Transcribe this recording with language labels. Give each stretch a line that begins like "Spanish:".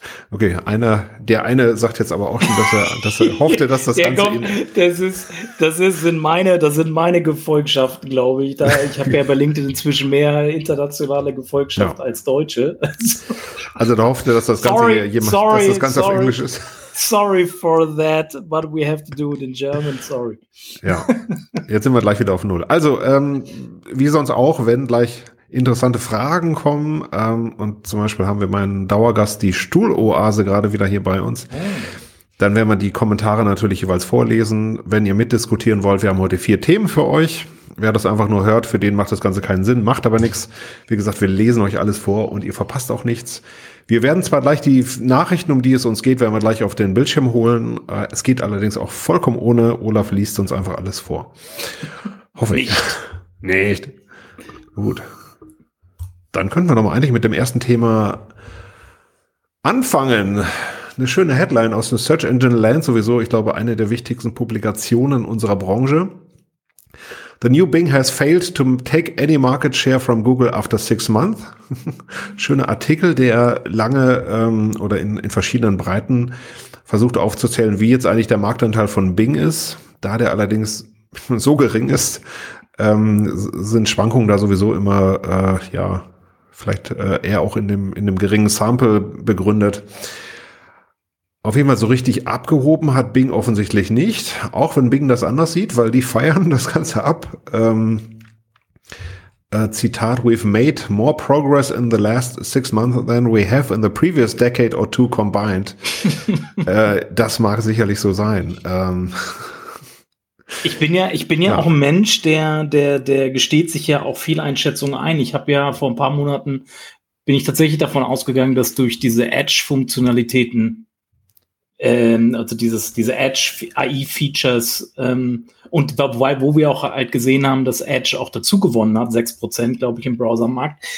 German: Okay, der eine sagt jetzt aber auch schon, dass er hoffte, dass das Ganze. Das sind meine Gefolgschaften, glaube ich. Ich habe ja bei LinkedIn inzwischen mehr internationale Gefolgschaft als Deutsche. Also da hoffte, dass das Ganze auf Englisch ist.
English: Sorry for that, but we have to do it in German, sorry.
German: Ja, jetzt sind wir gleich wieder auf Null. Also, wie sonst auch, wenn gleich interessante Fragen kommen, und zum Beispiel haben wir meinen Dauergast, die Stuhloase, gerade wieder hier bei uns. Dann werden wir die Kommentare natürlich jeweils vorlesen. Wenn ihr mitdiskutieren wollt, wir haben heute 4 Themen für euch. Wer das einfach nur hört, für den macht das Ganze keinen Sinn, macht aber nichts. Wie gesagt, wir lesen euch alles vor und ihr verpasst auch nichts. Wir werden zwar gleich die Nachrichten, um die es uns geht, werden wir gleich auf den Bildschirm holen. Es geht allerdings auch vollkommen ohne. Olaf liest uns einfach alles vor. Hoffe ich. Nicht. Gut. Dann können wir doch mal eigentlich mit dem ersten Thema anfangen. Eine schöne Headline aus dem Search Engine Land, sowieso, ich glaube, eine der wichtigsten Publikationen unserer Branche.
English: The new Bing has failed to take any market share from Google after 6 months.
German: Schöner Artikel, der lange oder in verschiedenen Breiten versucht aufzuzählen, wie jetzt eigentlich der Marktanteil von Bing ist. Da der allerdings so gering ist, sind Schwankungen da sowieso immer, vielleicht eher auch in dem geringen Sample begründet. Auf jeden Fall so richtig abgehoben hat Bing offensichtlich nicht. Auch wenn Bing das anders sieht, weil die feiern das Ganze ab.
English: Zitat, we've made more progress in the last 6 months than we have in the previous decade or two combined.
German: Das mag sicherlich so sein. Ich bin ja auch ein Mensch, der gesteht sich ja auch viel Einschätzungen ein. Ich habe ja vor ein paar Monaten, bin ich tatsächlich davon ausgegangen, dass durch diese Edge-Funktionalitäten, diese Edge-AI-Features, und wo wir auch halt gesehen haben, dass Edge auch dazu gewonnen hat, 6%, glaube ich, im Browsermarkt.